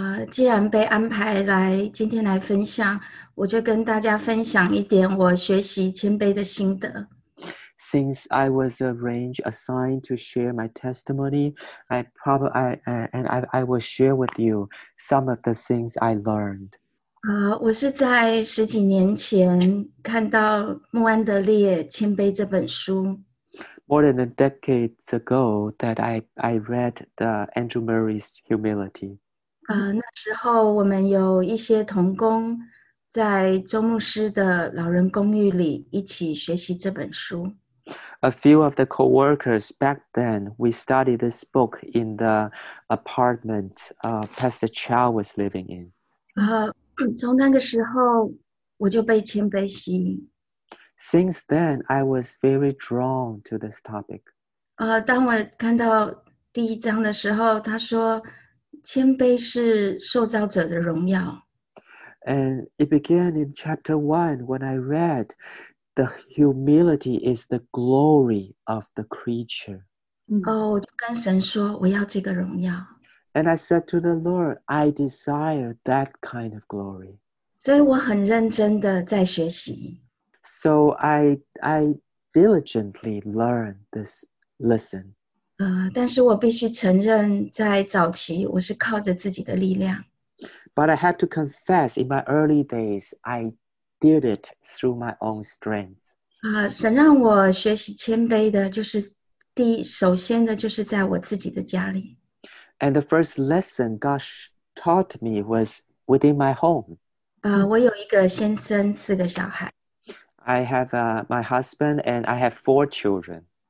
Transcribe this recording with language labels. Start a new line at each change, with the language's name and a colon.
Chinese: 既然被安排来今天来分享，我就跟大家分享一点我学习谦卑的心得。
English: Since I was arranged, assigned to share my testimony, I will share with you some of the things I learned.
Chinese: 我是在十几年前看到穆安德烈《谦卑》这本书。
English: More than a decade ago, that I read the Andrew Murray's Humility.
Chinese: 那时候我们有一些同工在周牧师的老人公寓里一起学习这本书。
English: A few of the co-workers back then, we studied this book in the apartment Pastor Chow was living in.
Chinese: 从那个时候我就被谦卑吸引。
English: Since then, I was very drawn to this topic.
Chinese: 当我看到第一章的时候，他说谦卑是受造者的荣耀。
English: And it began in chapter 1 when I read, the humility is the glory of the creature.
Chinese: 我就跟神说，我要这个荣耀。
English: And I said to the Lord, I desire that kind of glory.
Chinese: 所以我很认真的在学习。
English: So I diligently learned this lesson.
Chinese: 但是我必须承认，在早期我是靠着自己的力量。
English: But I have to confess, in my early days, I did it through my own strength.
Chinese: 神让我学习谦卑的，就是第一，首先的就是在我自己的家里。
English: And the first lesson God taught me was within my home.
Chinese: 我有一个先生，四个小孩。
English: I have my husband and I have four children.